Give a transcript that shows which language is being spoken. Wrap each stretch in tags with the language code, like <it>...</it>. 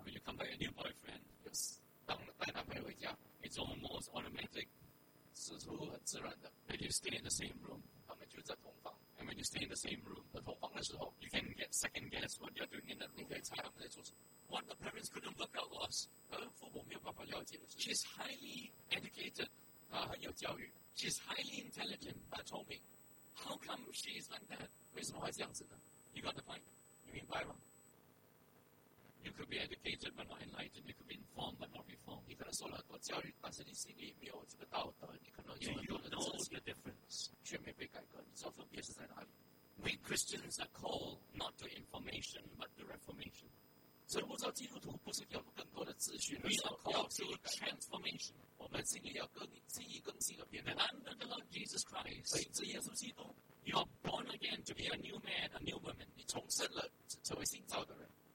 <en>when you come back with a new boyfriend,</en> <zh>yes, 当带男朋友回家,</zh> <en>it's almost automatic.</en> <zh>似乎很自然的,</zh> <en>that you stay in the same room.</en> <zh>他们就在同房,</zh> <en>and when you stay in the same room,</en> <zh>在同房的时候,</zh> <en>you can get second guess what you're doing in that room.</en> <zh>你可以猜他们在做什么。</zh> <en>What the parents couldn't work out was,</en> <zh>父母没有办法了解的是,</zh> <en>she's highly educated,</en> <zh>她很有教育,</zh> <en>she's highly intelligent,</en> <zh>她聪明。</zh> <en>How come she is like that?</en> <zh>为什么会这样子呢?</zh> <en>You got the point?</en> <zh>你明白吗?</zh> <en>You could be educated but not enlightened. You could be informed but not reformed.</en> <zh>你可能受了很多教育,但是你心里没有这个道德,你可能有很多的知识。</zh> <en>You know the difference.</en> <zh>却没被改革,你知道分别是在哪里?</zh> <en>We Christians are called not to information but to reformation.</en> <zh>所以我知道基督徒不是给我们更多的资讯,</zh> <en>we are called to transformation.</en> <zh>我们心里要更记忆更新的变</zh> <en>得 under the Lord Jesus Christ</en> <zh>所以这耶稣基督</zh> <en>You are born again to be a new man, a new woman</en> <zh>你重生了成为新造的人</zh>